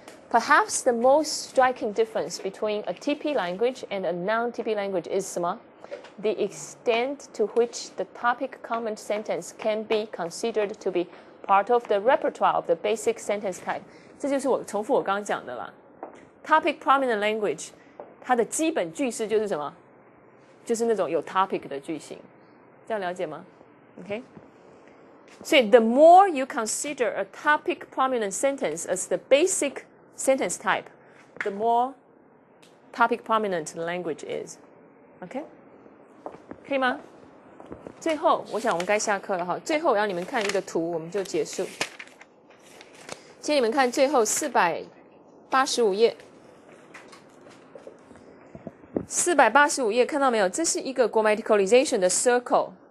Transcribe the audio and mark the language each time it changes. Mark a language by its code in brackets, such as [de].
[en] Perhaps the most striking difference between a TP language and a non-TP language is [zh] 什么？ [en] The extent to which the topic comment sentence can be considered to be part of the repertoire of the basic sentence type. [zh] 这就是我重复我刚刚讲的啦。 [en] Topic prominent language [zh] 它的基本句式就是什么？就是那种有 topic 的句型。这样了解吗？OK。所以 [en] the more you consider a topic prominent sentence as the basic sentence type, the more topic prominent the language is. [zh] OK? 可以吗？最后我想我们该下课了哈，最后我要你们看一个图我们就结束。请你们看最后485页。 485页看到没有？这是一个 grammaticalization 的 circle。